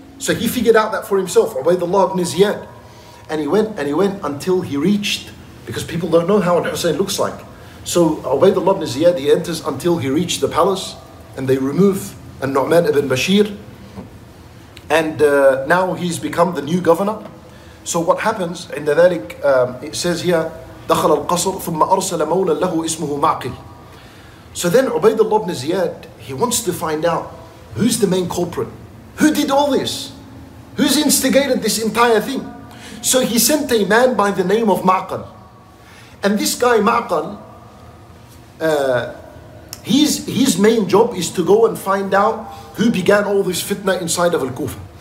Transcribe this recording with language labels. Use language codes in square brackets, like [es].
[en] So he figured out that for himself, Ubaidullah ibn Ziyad. And he went until he reached, because people don't know how Al-Husayn looks like. So Ubaidullah ibn Ziyad, he enters until he reached the palace and they remove Nu'man ibn Bashir. And now he's become the new governor. So what happens, in the ذلك, it says here, [ar] دخل القصر ثم أرسل مولا له اسمه معقل. [en] So then Ubaidullah ibn Ziyad, he wants to find out who's the main culprit. Who did all this? Who's instigated this entire thing? So he sent a man by the name of Ma'qal. And this guy Ma'qal, his main job is to go and find out who began all this fitna inside of Al-Kufa.